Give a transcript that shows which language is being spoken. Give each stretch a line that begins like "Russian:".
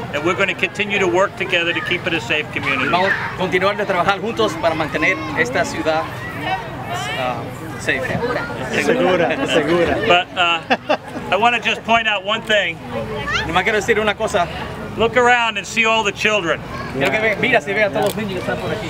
English: And we're going to continue to work together to keep it a safe community.
Spanish: Vamos a continuar de trabajar juntos para mantener esta ciudad safe. Segura, segura.
English: But I want to just point out one thing.
Spanish: Me quiero decir una cosa.
English: Look around and see all the children.
Spanish: Mira si ve a todos los niños que están por aquí.